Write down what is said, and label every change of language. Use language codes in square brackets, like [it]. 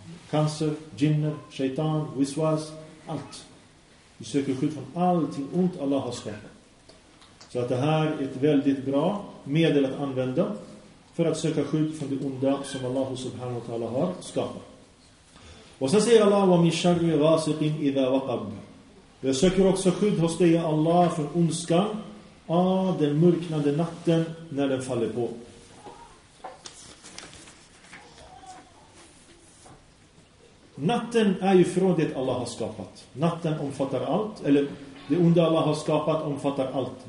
[sv] Cancer, jinner, shaitan, wiswas, allt. Du söker skydd från allting ont Allah har skapat. Så att det här är ett väldigt bra medel att använda för att söka skydd från det onda som Allah subhanahu wa ta'ala har skapat. Och sen säger Allah, [ar] وَمِنْ شَرِّ غَاسِقٍ إِذَا وَقَبْ. [sv] Jag söker också skydd hos dig, Allah, från ondskan av den mörknande natten när den faller på. Natten är ju från det Allah har skapat. Natten omfattar allt, eller det onda Allah har skapat omfattar allt.